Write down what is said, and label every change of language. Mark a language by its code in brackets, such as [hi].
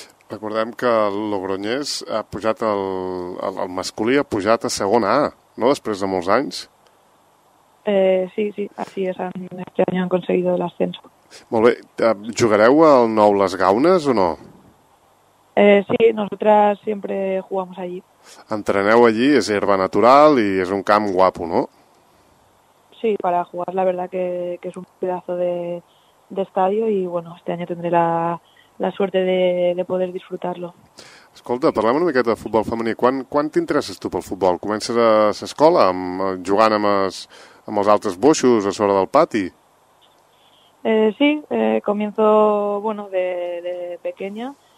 [ca] Recordem que el Logroñés ha pujat el masculí, ha pujat a segona A, no? Després de molts anys. [es] Sí, sí, así es, este año han conseguido el ascenso. [ca] Molt bé, jugareu al Nou Les Gaunes o no? [es] Sí, nosotras siempre jugamos allí. [ca] Entreneu allí, és herba natural i és un camp guapo, no? [es] Sí, para jugar, la verdad que es un pedazo de estadio y bueno, este año tendré la suerte de poder disfrutarlo. [ca] Escolta, parlem una miqueta de futbol femení. Quan t'interesses tu pel futbol? Comences a l'escola jugant amb els altres boixos a sobre del pati? [es] Sí, comienzo, bueno, de pequeña.